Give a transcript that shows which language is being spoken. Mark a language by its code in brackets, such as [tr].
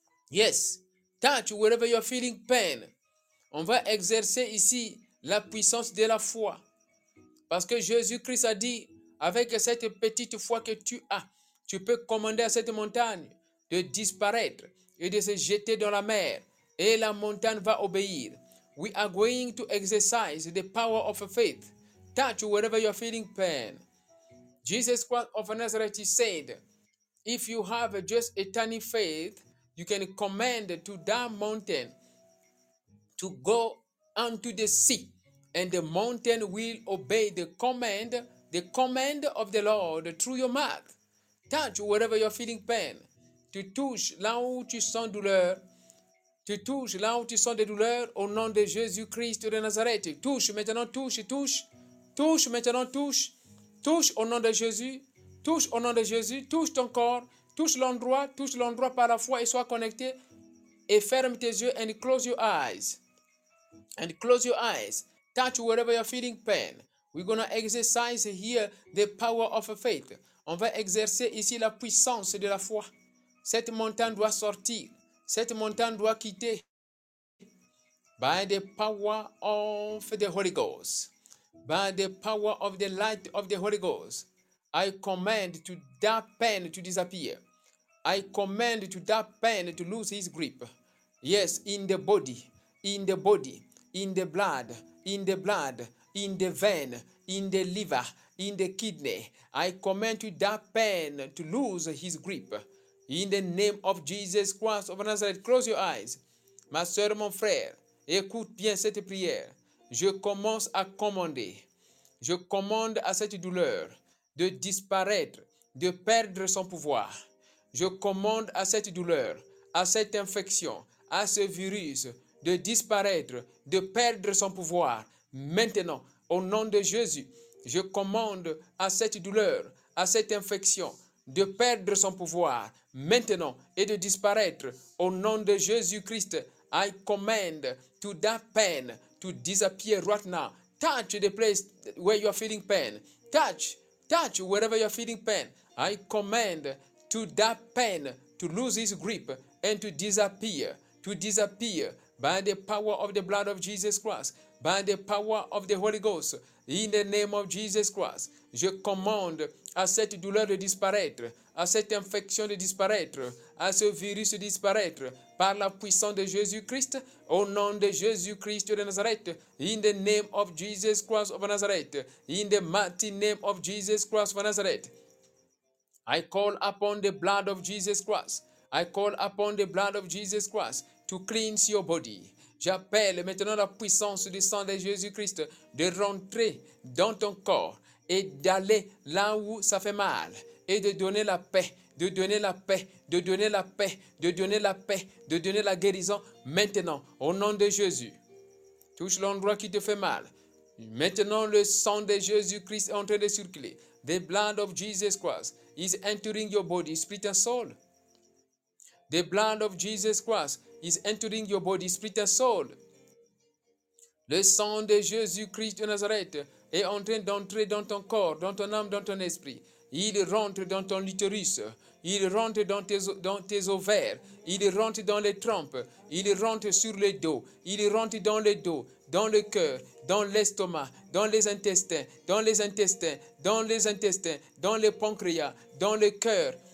[en] Yes, touch wherever you are feeling pain. [fr] On va exercer ici la puissance de la foi. Parce que Jésus-Christ a dit, avec cette petite foi que tu as, tu peux commander à cette montagne de disparaître et de se jeter dans la mer. Et la montagne va obéir. [en] We are going to exercise the power of faith. Touch wherever you are feeling pain. Jesus Christ of Nazareth said, if you have just a tiny faith, you can command to that mountain to go unto the sea, and the mountain will obey the command of the Lord through your mouth. Touch wherever you're feeling pain. [fr] Tu touches là où tu sens douleur. Tu touches là où tu sens des douleurs au nom de Jésus-Christ de Nazareth. Touche maintenant, touche, touche. Touche maintenant, touche. Touche au nom de Jésus. Touche au nom de Jésus. Touche ton corps. Touche l'endroit par la foi et sois connecté. Et ferme tes yeux [en] and close your eyes. And close your eyes. Touch wherever you're feeling pain. We're going to exercise here the power of faith. [fr] On va exercer ici la puissance de la foi. Cette montagne doit sortir. Cette montagne doit quitter. [en] By the power of the Holy Ghost. by the power of the light of the Holy Ghost, I command to that pain to disappear. I command to that pain to lose its grip. Yes, in the body, in the body, in the blood, in the blood, in the vein, in the liver, in the kidney. I command to that pain to lose his grip. In the name of Jesus Christ of Nazareth, close your eyes. [fr] Ma soeur, mon frère, écoute bien cette prière. Je commence à commander. Je commande à cette douleur de disparaître, de perdre son pouvoir. Je commande à cette douleur, à cette infection, à ce virus de disparaître, de perdre son pouvoir. Maintenant, au nom de Jésus, je commande à cette douleur, à cette infection, de perdre son pouvoir maintenant et de disparaître au nom de Jésus-Christ. [en] I command to that pain to disappear right now. Touch the place where you are feeling pain. Touch, touch wherever you are feeling pain. I command to that pain to lose its grip and to disappear by the power of the blood of Jesus Christ, by the power of the Holy Ghost. In the name of Jesus Christ, [fr] je commande à cette douleur de disparaître, à cette infection de disparaître, à ce virus de disparaître, par la puissance de Jésus-Christ, au nom de Jésus-Christ de Nazareth, [en] in the name of Jesus Christ of Nazareth, [fr] in the mighty name of Jesus Christ of Nazareth. [en] I call upon the blood of Jesus Christ. I call upon the blood of Jesus Christ to cleanse your body. [fr] J'appelle maintenant la puissance du sang de Jésus-Christ de rentrer dans ton corps et d'aller là où ça fait mal et de donner la paix, de donner la paix, de donner la paix, de donner la paix, de donner la guérison maintenant au nom de Jésus. Touche l'endroit qui te fait mal. Maintenant, le sang de Jésus-Christ est en train de circuler. [en] The blood of Jesus Christ is entering your body, spirit and soul. The blood of Jesus Christ is entering your body, spirit and soul. [fr] Le sang de Jésus-Christ de Nazareth est en train d'entrer dans ton corps, dans ton âme, dans ton esprit. Il rentre dans ton utérus. Il rentre dans tes ovaires. Il rentre dans les trompes. Il rentre sur le dos. Il rentre dans le dos, dans le cœur, dans l'estomac, dans les intestins, dans les intestins, dans les intestins, dans les pancréas, dans le cœur.